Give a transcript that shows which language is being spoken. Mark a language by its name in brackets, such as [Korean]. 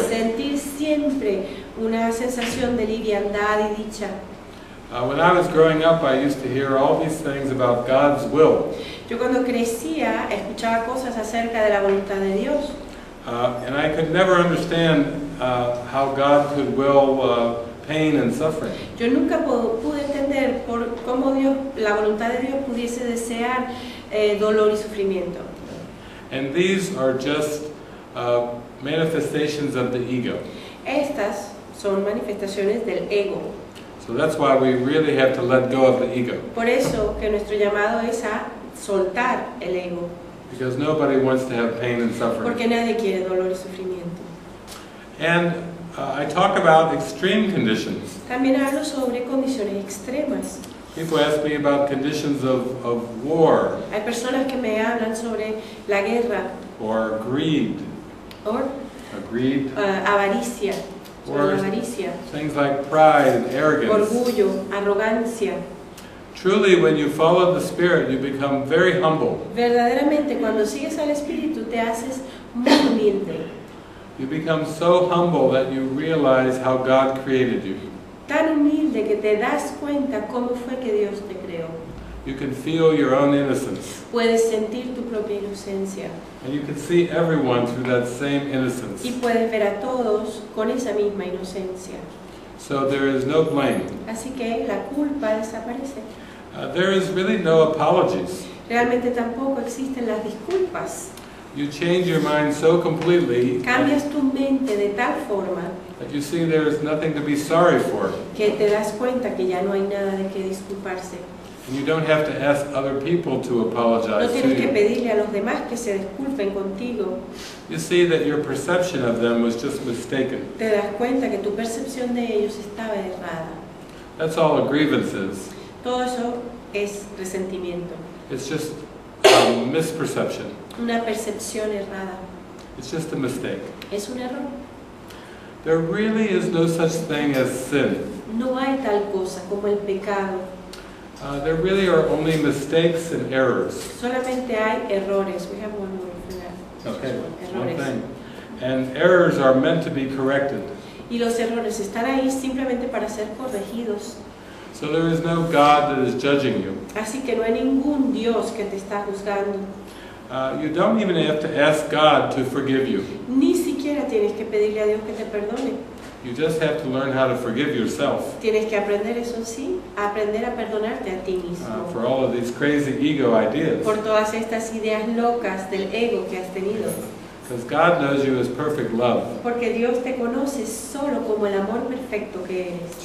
[Spanish] Sentir siempre una sensación de liviandad y dicha. [English] When I was growing up, I used to hear all these things about God's will. [Spanish] Yo cuando crecía escuchaba cosas acerca de la voluntad de Dios. [English] And I could never understand how God could will pain and suffering. [Spanish] Yo nunca pude entender por cómo Dios, la voluntad de Dios pudiese desear dolor y sufrimiento. [English] And these are just manifestations of the ego. [Spanish] Estas son manifestaciones del ego. [English] So that's why we really have to let go of the ego. [Spanish] Por eso que nuestro llamado es a soltar el ego. [English] Because nobody wants to have pain and suffering. [Spanish] Porque nadie quiere dolor y sufrimiento. [English] And I talk about extreme conditions. [Spanish] También hablo sobre condiciones extremas. [English] People ask me about conditions of war. [Spanish] Hay personas que me hablan sobre la guerra. [English] Or greed. [Spanish] Avaricia. [English] Or things like pride and arrogance. [Spanish] Orgullo, arrogancia. [English] Truly, when you follow the Spirit, you become very humble. [Spanish] Verdaderamente, cuando sigues al Espíritu, te haces muy humilde. [English] You become so humble that you realize how God created you. [Spanish] Tan humilde que te das cuenta cómo fue que Dios te creó. [English] You can feel your own innocence. [Spanish] Puedes sentir tu propia inocencia. [English] And you can see everyone through that same innocence. [Spanish] Y puedes ver a todos con esa misma inocencia. [English] So there is no blame. [Spanish] Así que la culpa desaparece. [English] There is really no apologies. [Spanish] Realmente tampoco existen las disculpas. [English] You change your mind so completely. [Spanish] Cambias tu mente de tal forma. [English] That you see there is nothing to be sorry for. [Spanish] Que te das cuenta que ya no hay nada de qué disculparse. [English] And you don't have to ask other people to apologize to you. [Spanish] No tienes que pedirle a los demás que se disculpen contigo. [English] You see that your perception of them was just mistaken. [Spanish] Te das cuenta que tu percepción de ellos estaba errada. [English] That's all a grievance is. [Spanish] Todo eso es resentimiento. [English] It's just a misperception. [Spanish] Una percepción errada. [English] It's just a mistake. [Spanish] Es un error. [English] There really is no such thing as sin. [Spanish] No hay tal cosa como el pecado. [English] There really are only mistakes and errors. [Spanish] Solamente hay errores. [English] We have one word for that. Okay. Errores. One thing. And errors are meant to be corrected. [Spanish] Y los errores están ahí simplemente para ser corregidos. [English] So there is no God that is judging you. [Spanish] Así que no hay ningún Dios que te está juzgando. [English] You don't even have to ask God to forgive you. [Spanish] Ni siquiera tienes que pedirle a Dios que te perdone. [English] You just have to learn how to forgive yourself. [Spanish] Tienes que aprender eso sí, aprender a perdonarte a ti mismo. [English] For all of these crazy ego ideas. [Spanish] Por todas estas ideas locas del ego que has tenido. [English] Because God knows you as perfect love. [Spanish] Porque Dios te conoce solo como el amor perfecto que eres.